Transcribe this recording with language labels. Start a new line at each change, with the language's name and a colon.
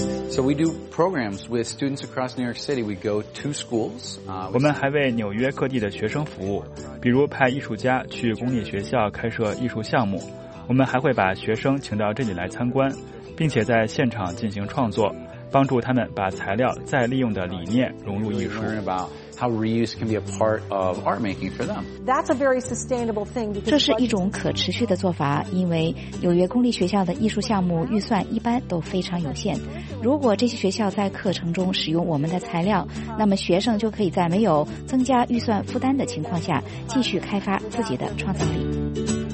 English: So we do programs with students across New York City. We go to schools.
Chinese: 我们还为纽约各地的学生服务，比如派艺术家去公立学校开设艺术项目。我们还会把学生请到这里来参观，并且在现场进行创作，帮助他们把材料再利用的理念融入艺术。
English: Learn about how reuse can be a part of art making for them. That's a very sustainable thing.
Chinese: 这是一种可持续的做法，因为纽约公立学校的艺术项目预算一般都非常有限。如果这些学校在课程中使用我们的材料，那么学生就可以在没有增加预算负担的情况下继续开发自己的创造力。